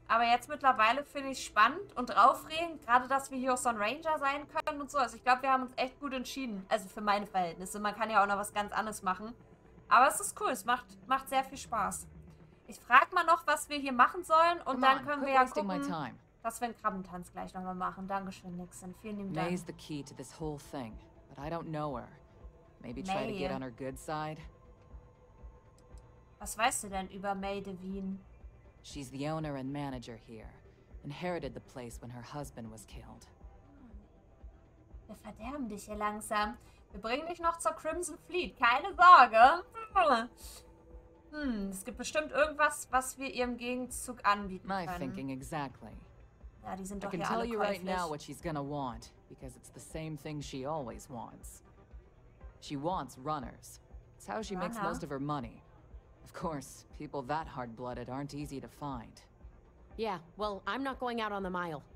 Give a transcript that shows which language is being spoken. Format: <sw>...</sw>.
<de>Aber jetzt mittlerweile finde ich es spannend und aufregend, gerade dass wir hier auch so ein Ranger sein können und so. Also ich glaube, wir haben uns echt gut entschieden. Also für meine Verhältnisse. Man kann ja auch noch was ganz anderes machen. Aber es ist cool. Es macht sehr viel Spaß. Ich frage mal noch, was wir hier machen sollen und dann können wir ja gucken, dass wir einen Krabbentanz gleich nochmal machen. Dankeschön, Nixon. Vielen lieben Dank.</de> <en>May is the key to this whole thing, but I don't know her. Maybe try to get on her good side.</en> <de>Was weißt du denn über May Devine?</de> <en>She's the owner and manager here. Inherited the place when her husband was killed.</en> <de>Wir verderben dich hier langsam. Wir bringen dich noch zur Crimson Fleet. Keine Sorge. Es gibt bestimmt irgendwas, was wir ihr im Gegenzug anbieten können.</de> <en>My thinking exactly.</en> <de>Ja, die sind doch hier alle käuflich.</de> <en>I can tell you right now what she's gonna want, because it's the same thing she always wants. She wants runners. It's how she makes most of her money. Of course, people that hard-blooded aren't easy to find. Yeah, well, I'm not going out on the mile.</en>